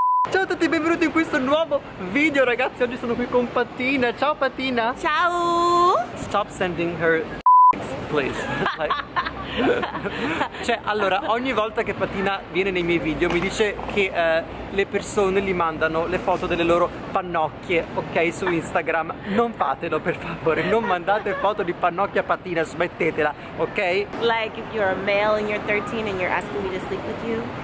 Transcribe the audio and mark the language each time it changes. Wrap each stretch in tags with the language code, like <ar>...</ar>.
<it>Ciao a tutti e benvenuti in questo nuovo video, ragazzi. Oggi sono qui con Patina. Ciao Patina. Ciao.</it> <en>Stop sending her please.</en> <it>Cioè, allora, ogni volta che Patina viene nei miei video mi dice che le persone gli mandano le foto delle loro pannocchie, ok, su Instagram. Non fatelo, per favore, non mandate foto di pannocchie a Patina, smettetela, ok?</it> <en>Like, if you're a male and you're 13 and you're asking me to sleep with you?</en>